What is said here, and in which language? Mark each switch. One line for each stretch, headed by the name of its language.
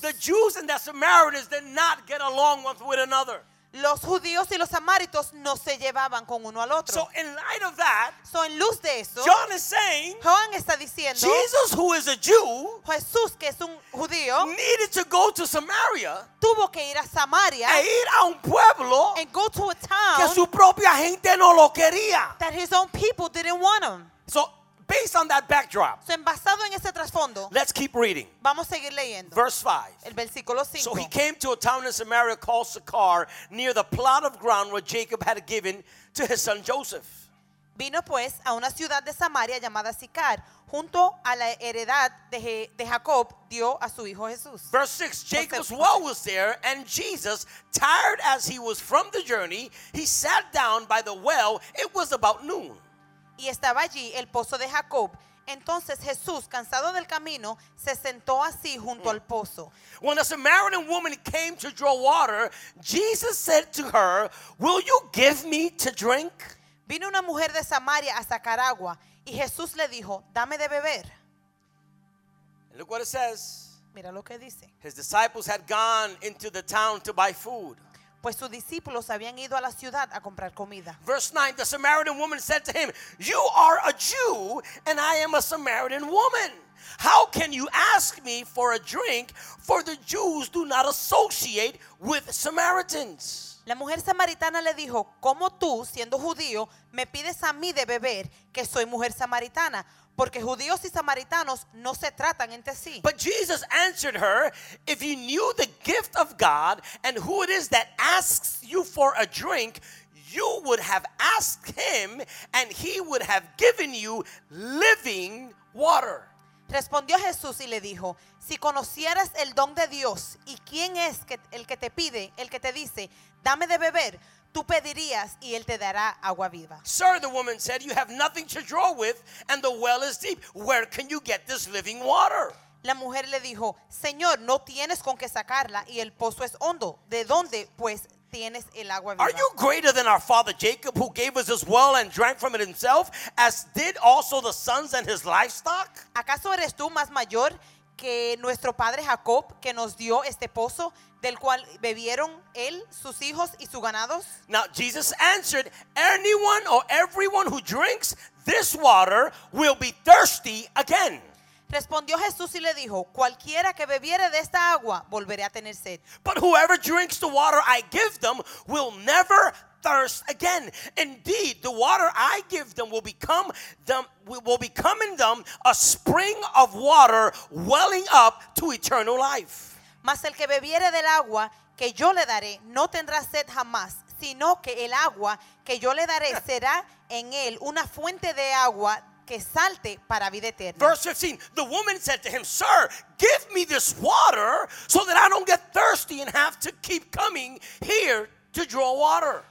English: the Jews and the Samaritans did not get along with another.
Spanish: Los judíos y los samaritos no se llevaban con uno al otro.
English: So in light of that,
Spanish: so en luz de eso,
English: John is saying,
Spanish: Juan está diciendo,
English: Jesus, who is a Jew,
Spanish: Jesús, que es un judío,
English: needed to go to Samaria,
Spanish: tuvo que ir a Samaria, e ir a un pueblo,
English: and go to a town,
Spanish: que su propia gente no lo quería,
English: that his own people didn't want him. So based on that backdrop,
Spanish: so basado en ese trasfondo,
English: let's keep reading.
Spanish: Vamos a seguir leyendo.
English: Verse 5.
Spanish: El versículo 5.
English: So he came to a town in Samaria called Sychar, near the plot of ground where Jacob had given to his son Joseph.
Spanish: Vino pues a una ciudad de Samaria llamada Sychar, junto a la heredad de Jacob dio a su hijo Jesús.
English: Verse 6. Jacob's well was there, and Jesus, tired as he was from the journey, he sat down by the well. It was about noon.
Spanish: Y estaba allí el pozo de Jacob. Entonces Jesús, cansado del camino, se sentó así junto al pozo.
English: When a Samaritan woman came to draw water, Jesus said to her, "Will you give me to drink?"
Spanish: Vino una mujer de Samaria a sacar agua, y Jesús le dijo, "Dame de beber."
English: And look what it says.
Spanish: Mira lo que dice.
English: His disciples had gone into the town to buy food.
Spanish: Pues sus discípulos habían ido a la ciudad a comprar comida.
English: Verse 9, the Samaritan woman said to him, "You are a Jew, and I am a Samaritan woman. How can you ask me for a drink? For the Jews do not associate with Samaritans."
Spanish: La mujer samaritana le dijo, "¿Cómo tú, siendo judío, me pides a mí de beber, que soy mujer samaritana? Porque judíos y samaritanos no se tratan entre sí."
English: But Jesus answered her, "If you knew the gift of God and who it is that asks you for a drink, you would have asked him and he would have given you living water."
Spanish: Respondió Jesús y le dijo, "Si conocieras el don de Dios y quién es el que te pide, el que te dice, dame de beber, tú pedirías y él te dará agua viva."
English: "Sir," the woman said, "you have nothing to draw with, and the well is deep. Where can you get this living water?"
Spanish: La mujer le dijo, "Señor, no tienes con qué sacarla y el pozo es hondo. ¿De dónde, pues, tienes el agua viva?"
English: "Are you greater than our father Jacob, who gave us this well and drank from it himself, as did also the sons and his livestock?"
Spanish: ¿Acaso eres tú más mayor que nuestro padre Jacob, que nos dio este pozo, del cual bebieron él, sus hijos y sus ganados?
English: Now Jesus answered, "Anyone or everyone who drinks this water will be thirsty again."
Spanish: Respondió Jesús y le dijo, "Cualquiera que bebiere de esta agua volveré a tener sed."
English: "But whoever drinks the water I give them will never thirst again. Indeed, the water I give them will become in them a spring of water welling up to eternal life."
Spanish: Mas el que bebiere del agua que yo le daré no tendrá sed jamás, sino que el agua que yo le daré será en él una fuente de agua que salte para vida eterna.
English: Verse 15, the woman said to him, "Sir, give me this water so that I don't get thirsty and have to keep coming here to draw water."